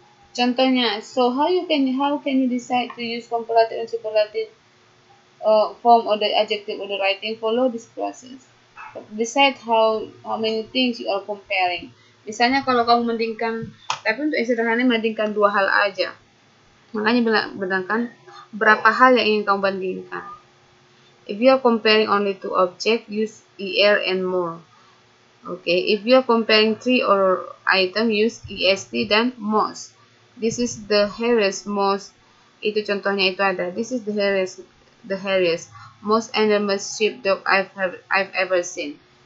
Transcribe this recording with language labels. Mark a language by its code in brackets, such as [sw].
[id] Contohnya, [en] so how can you decide to use comparative and superlative form or the adjective or the writing? Follow this process. Decide how many things you are comparing. [id] Misalnya kalau kamu membandingkan, tapi untuk yang sederhana membandingkan dua hal aja. Makanya bilang berapa hal yang ingin kamu bandingkan. [en] If you are comparing only two objects, use ER and MORE. Okay, if you are comparing three or item, use EST [id] dan [en] MOST. This is the heaviest, most, [id] itu contohnya itu ada. [en] This is the heaviest, most enormous sheepdog I've ever seen.